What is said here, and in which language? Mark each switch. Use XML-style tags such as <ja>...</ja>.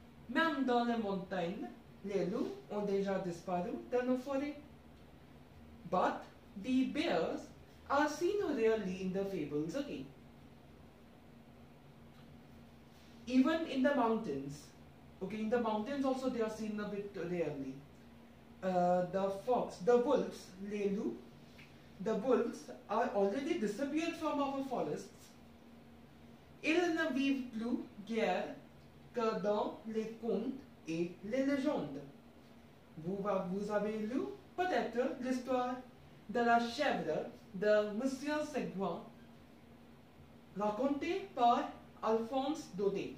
<fr>Même dans les montagnes, les loups ont déjà disparu dans nos forêts.</fr> <en>But the bears are seen rarely in the fables, okay? even in the mountains, okay, in the mountains also they are seen a bit rarely. The fox, the wolves, Lelu, the wolves are already disappeared from our forests.</en> <fr>Il ne vive plus guère que dans les contes et les légendes. Vous avez lu peut-être l'histoire de la chèvre de Monsieur Seguin racontée par Alphonse Daudet.</fr>